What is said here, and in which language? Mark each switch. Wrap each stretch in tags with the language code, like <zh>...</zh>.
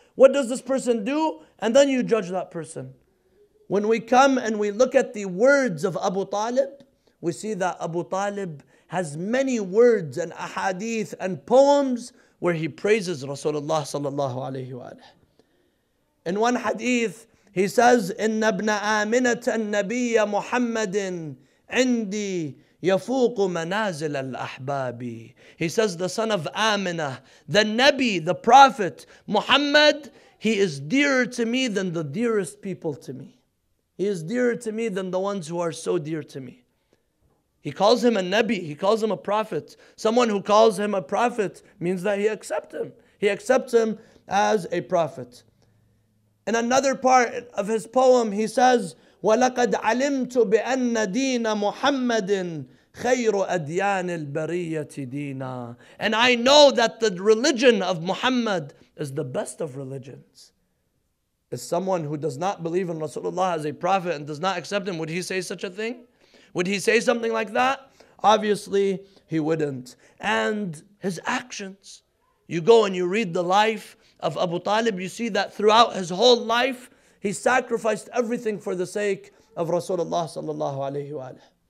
<en>What does this person do? And then you judge that person. When we come and we look at the words of Abu Talib, we see that Abu Talib has many words and ahadith and poems where he praises Rasulullah sallallahu alayhi wa alayhi.</en> <ar>In one hadith, he says, إِنَّ ابْنَ آمِنَةَ النَّبِيَّ مُحَمَّدٍ عِنْدِي يَفُوقُ مَنَازِلَ الْأَحْبَابِ.</ar> <en>He says, the son of Amina, the Nabi, the Prophet, Muhammad, he is dearer to me than the dearest people to me. He is dearer to me than the ones who are so dear to me. He calls him a Nabi, he calls him a Prophet. Someone who calls him a Prophet means that he accepts him. He accepts him as a Prophet.</en> <ar>In another part of his poem, he says, وَلَقَدْ عَلِمْتُ بِأَنَّ دِينَ مُحَمَّدٍ خَيْرُ أَدْيَانِ الْبَرِيَّةِ دِينًا.</ar> <en>And I know that the religion of Muhammad is the best of religions. Is someone who does not believe in Rasulullah as a prophet and does not accept him, would he say such a thing? Would he say something like that? Obviously, he wouldn't. And his actions. You go and you read the life of Abu Talib, you see that throughout his whole life, he sacrificed everything for the sake of Rasulullah sallallahu alayhi wa alayhi.</en>